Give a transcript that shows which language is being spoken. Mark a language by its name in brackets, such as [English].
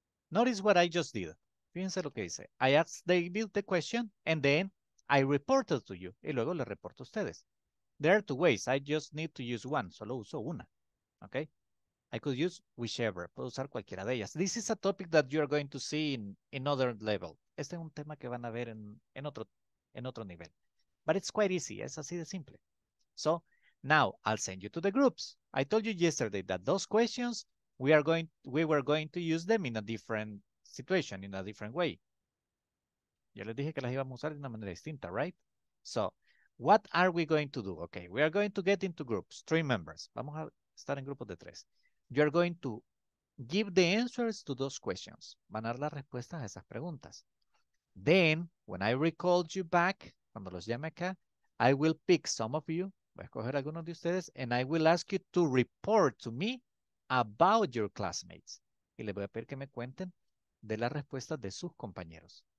[English] Notice what I just did. [Spanish] Fíjense lo que hice. [English] I asked David the question, and then I reported to you. [Spanish] Y luego le reporto a ustedes. [English] There are two ways. I just need to use one. [Spanish] Solo uso una. [English] Okay? I could use whichever. [Spanish] Puedo usar cualquiera de ellas. [English] This is a topic that you are going to see in another level. [Spanish] Este es un tema que van a ver en otro nivel. [English] But it's quite easy. [Spanish] Es así de simple. [English] So, now, I'll send you to the groups. I told you yesterday that those questions, we were going to use them in a different situation, in a different way. [Spanish] Yo les dije que las íbamos a usar de una manera distinta, [English] right? So, what are we going to do? Okay, we are going to get into groups, three members. [Spanish] Vamos a estar en grupos de tres. [English] You are going to give the answers to those questions. [Spanish] Van a dar las respuestas a esas preguntas. [English] Then, when I recall you back, [Spanish] cuando los llame acá, [English] I will pick some of you. [Spanish] Voy a escoger algunos de ustedes, [English] and I will ask you to report to me about your classmates. [Spanish] Y les voy a pedir que me cuenten de las respuestas de sus compañeros.